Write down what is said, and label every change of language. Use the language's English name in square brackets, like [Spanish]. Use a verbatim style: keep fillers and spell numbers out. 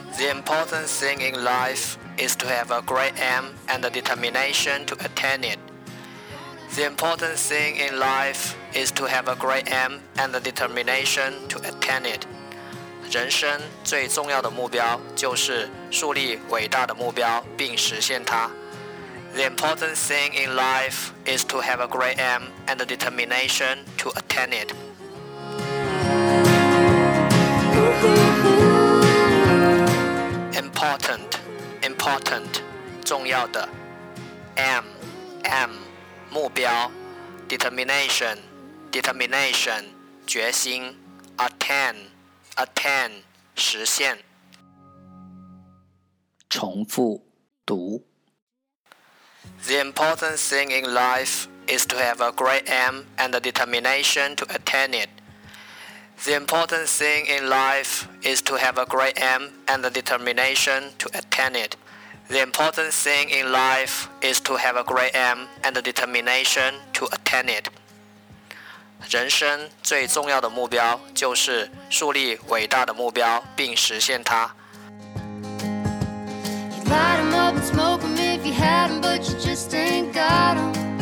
[English] The important thing in life is to have a great aim and a determination to attain it. The important thing in life is to have a great aim and a determination to attain it. [Chinese] 人生最重要的目标就是树立伟大的目标并实现它。 [English] The important thing in life is to have a great aim and a determination to attain it. Important, important, [Chinese] 重要的 [English] M, M, [Chinese] 目标 [English] Determination, determination, [Chinese] 决心 [English] Attain, attain, [Chinese] 实现重复读 [English] The important thing in life is to have a great aim and a determination to attain it. The important thing in life is to have a great aim and a determination to attain it. The important thing in life is to have a great aim and a determination to attain it. [Chinese] 人生最重要的目标就是树立伟大的目标并实现它。 [English] You light 'em up and smoke 'em if you had 'em, but you just ain't got 'em.